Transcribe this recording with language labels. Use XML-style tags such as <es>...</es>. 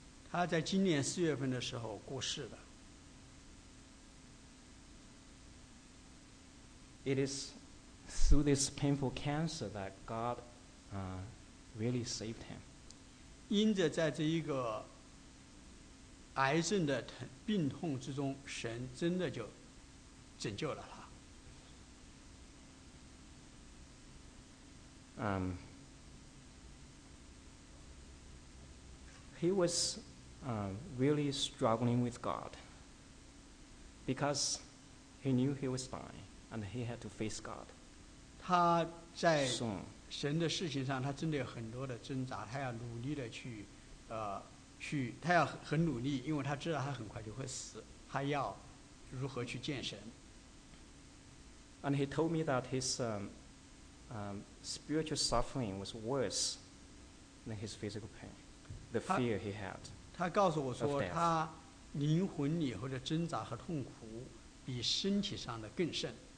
<zh>他在今年四月份的时候过世的。</zh> <en>It is through this painful cancer that God, really saved him.</en> <zh>因着在这一个癌症的病痛之中，神真的就拯救了他。</zh> <en>He was really struggling with God because he knew he was dying and he had to face God.</en> <zh>他在神的事情上，他真的有很多的挣扎，他要努力的去，他要很努力，因为他知道他很快就会死，他要如何去见神。</zh> <en>And he told me that his spiritual suffering was worse than his physical pain. The fear he had.</en> <zh>他告诉我说，他灵魂里头的挣扎和痛苦比身体上的更甚。</zh>